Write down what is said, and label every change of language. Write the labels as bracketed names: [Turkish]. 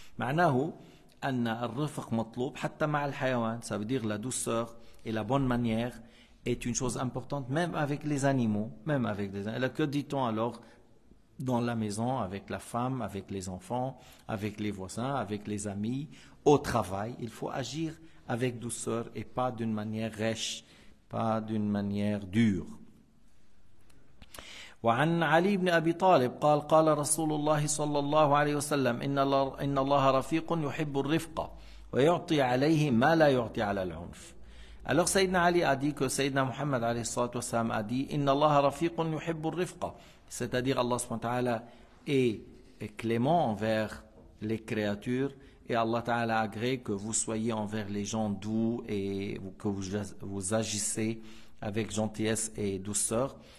[Arabic] Ma'nahu anna ar-rifq matloub hatta ma'a al-hayawan, [French] ça veut dire la douceur et la bonne manière est une chose importante même avec les animaux, même avec des animaux. Que dit-on alors dans la maison, avec la femme, avec les enfants, avec les voisins, avec les amis, au travail? Il faut agir avec douceur et pas d'une manière rêche, pas d'une manière dure. [Arabic] وعن علي بن أبي طالب قال قال رسول الله صلى الله عليه وسلم إن الله رفيق يحب الرفق ويعطي عليه ما لا يعطي على العنف. [French] Alors سيدنا علي a dit que سيدنا محمد عليه الصلاة والسلام a dit [Arabic] إن الله رفيق يحب الرفق, [French] c'est-à-dire Allah [Arabic] subhanahu wa ta'ala [French] est clément envers les créatures, et Allah Ta'ala agrée que vous soyez envers les gens doux et que vous agissez avec gentillesse et douceur.